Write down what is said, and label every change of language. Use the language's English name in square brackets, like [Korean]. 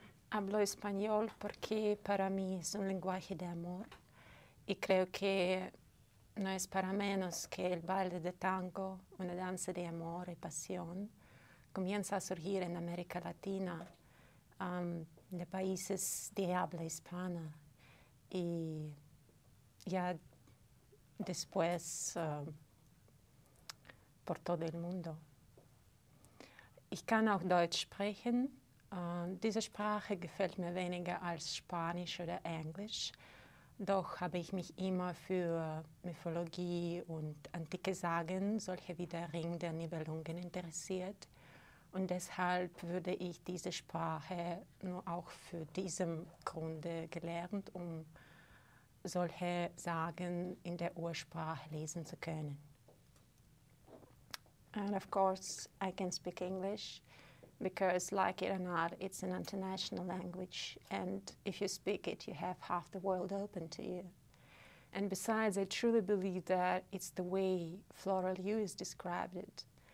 [Spanish] Hablo español porque para mí es un lenguaje de amor y creo que no es para menos que el baile de tango, una danza de amor y pasión, comienza a surgir en América Latina, de países de habla hispana y ya después por todo el mundo. [German] Ich kann auch Deutsch sprechen. Diese Sprache gefällt mir weniger als Spanisch oder Englisch, doch habe ich mich immer für Mythologie und antike Sagen, solche wie der Ring der Nibelungen, interessiert. Und deshalb würde ich diese Sprache nur auch für diesen Grunde gelernt, um solche Sagen in der Ursprache lesen zu können. [English] And of course, I can speak English. Because, like it or not, it's an international language, and if you speak it, you have half the world open to you. And besides, I truly believe that it's the way Flora Lewis described it.